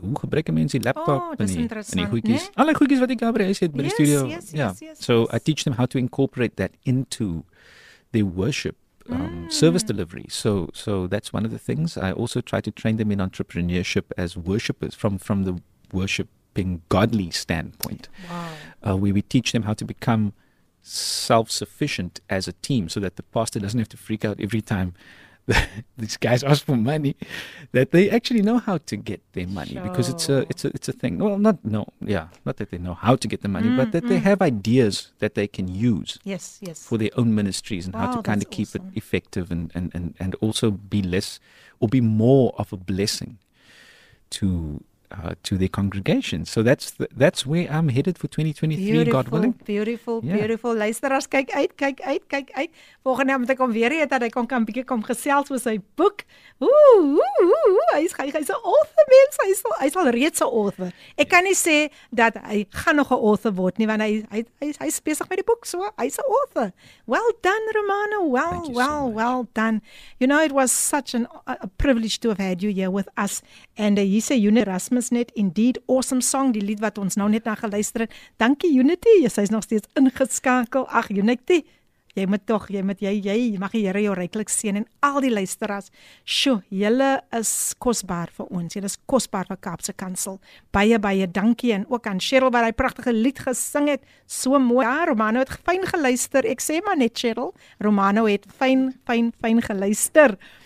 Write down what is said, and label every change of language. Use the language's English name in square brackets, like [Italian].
[Afrikaans] Hoe gebruik 'n mens die laptop en die goedjies? Al die goedjies wat ek gebruik, hy sê by die studio. [English] Yes. I teach them how to incorporate that into their worship service delivery. So that's one of the things. I also try to train them in entrepreneurship as worshipers from the worshiping godly standpoint. Wow. Where we teach them how to become self-sufficient as a team so that the pastor doesn't have to freak out every time these guys ask for money, that they actually know how to get their money. Sure. Because it's a thing. Well, not that they know how to get the money, but that they have ideas that they can use. Yes, yes. For their own ministries and wow, how to kind of keep awesome. It effective and also be less or be more of a blessing to their congregation. So that's where I'm headed for 2023, beautiful, God willing. Beautiful, yeah. Beautiful. [Afrikaans] Luisteraars, kyk uit. Volgende moet ek hom weer hê dat hy kon kan bietjie kom gesels oor sy boek. Hy's so author, mens. Hy's al reeds 'n author. Ek kan nie sê dat hy gaan nog 'n author word nie, want hy's besig met die boek, so hy's 'n author. [English] Well done, Romano. Well done. You know, it was such a privilege to have had you here with us. And he say you know, Erasmus net, indeed, awesome song, [Afrikaans] die lied wat ons nou net na geluister het. Dankie, Unity, jy's nog steeds ingeskakel. Ag, Unity, jy mag die Here jou ryklik seën en al die luisteraars. Sjoe, julle is kosbaar vir ons, julle is kosbaar vir Kaapse Kansel. Baie, baie dankie, en ook aan Cheryl, wat hy prachtige lied gesing het, so mooi. Ja, Romano het fijn geluister, ek sê maar net, Cheryl, Romano het fijn geluister.